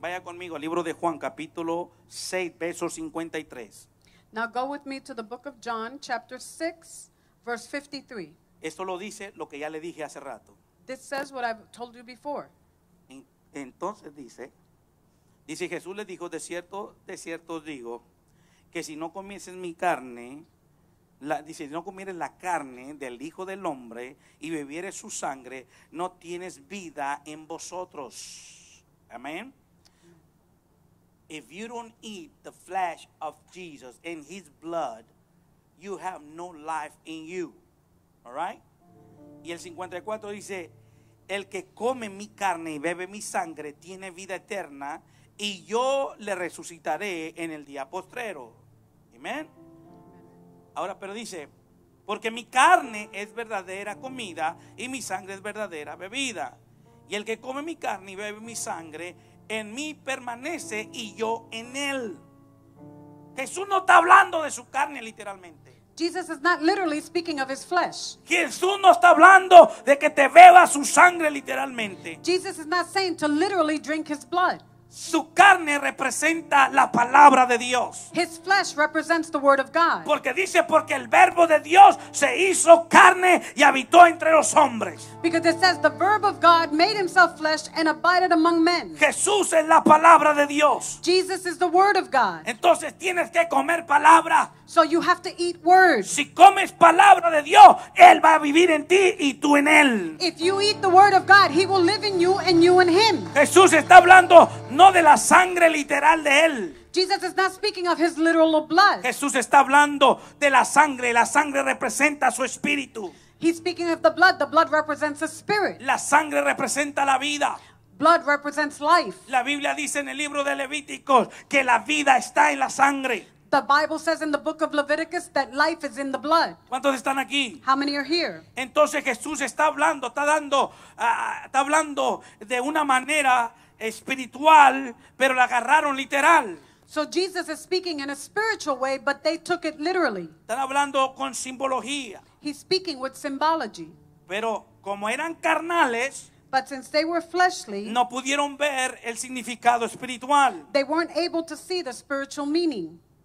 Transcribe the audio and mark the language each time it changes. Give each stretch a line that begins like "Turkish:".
Spanish: Vaya conmigo al libro de Juan, capítulo 6, verso 53.
English: Now go with me to the book of John, chapter 6, verse 53.
Spanish: Esto lo dice lo que ya le dije hace rato.
English: This says what I've told you before.
Spanish: Entonces dice Jesús le dijo, de cierto os digo, que si no comieses mi carne... Dice, si no comieres la carne del Hijo del Hombre y bebieres su sangre, no tienes vida en vosotros. Amén.
English: If you don't eat the flesh of Jesus and his blood, you have no life in you. All right?
Spanish: Y el 54 dice, el que come mi carne y bebe mi sangre tiene vida eterna y yo le resucitaré en el día postrero. Amén. Ahora, pero dice, porque mi carne es verdadera comida y mi sangre es verdadera bebida. Y el que come mi carne y bebe mi sangre, en mí permanece y yo en él. Jesús no está hablando de su carne literalmente.
English: Jesus is not literally speaking of his flesh.
Spanish: Jesús no está hablando de que te beba su sangre literalmente.
English: Jesus is not saying to literally drink his blood.
Spanish: Su carne representa la palabra de Dios.
English: His flesh represents the word of God.
Spanish: Porque dice, porque el verbo de Dios se hizo carne y habitó entre los hombres.
English: Because it says the verb of God made himself flesh and abided among men.
Spanish: Jesús es la palabra de Dios.
English: Jesus is the word of God.
Spanish: Entonces tienes que comer palabra.
English: So you have to eat words.
Spanish: Si comes palabra de Dios, él va a vivir en ti y tú en él.
English: If you eat the word of God, he will live in you and you in him.
Spanish: Jesús está hablando no de la sangre literal de él.
English: Jesus is not speaking of his literal blood.
Spanish: Jesús está hablando de la sangre. La sangre representa su espíritu.
English: He's speaking of the blood. The blood represents the spirit.
Spanish: La sangre representa la vida.
English: Blood represents life.
Spanish: La Biblia dice en el libro de Levíticos que la vida está en la sangre.
English: The Bible says in the book of Leviticus that life is in the blood.
Spanish: ¿Cuántos están aquí?
English: How many are here?
Spanish: Entonces Jesús está hablando de una manera espiritual, pero la agarraron literal.
English: So Jesus is speaking in a spiritual way, but they took it literally.
Spanish: Están hablando con simbología.
English: He's speaking with symbology.
Spanish: Pero como eran carnales,
English: but since they were fleshly,
Spanish: no pudieron ver el significado espiritual.
English: They weren't able to see the spiritual meaning.